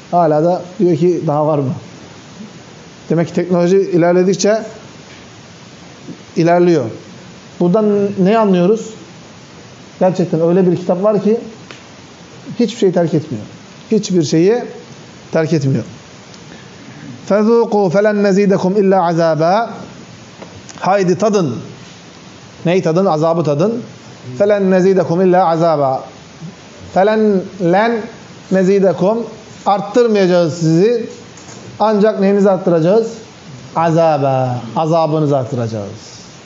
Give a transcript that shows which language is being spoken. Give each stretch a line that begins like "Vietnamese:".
Turkish: Hala da diyor ki daha var mı? Demek ki teknoloji ilerledikçe ilerliyor. Buradan ne anlıyoruz? Gerçekten öyle bir kitap var ki hiçbir şeyi terk etmiyor. Hiçbir şeyi terk etmiyor.
Arabic: فَذُوقُوا فَلَنْ نَزِيدَكُمْ اِلَّا عَذَابًا
Turkish: Haydi tadın. Neyi tadın? Azabı tadın.
Arabic: فَلَنْ نَزِيدَكُمْ اِلَّا عَذَابًا فَلَنْ لَنْ نَزِيدَكُمْ
Turkish: Arttırmayacağız sizi. Ancak neyinizi arttıracağız? عَذَابًا Azabınızı arttıracağız.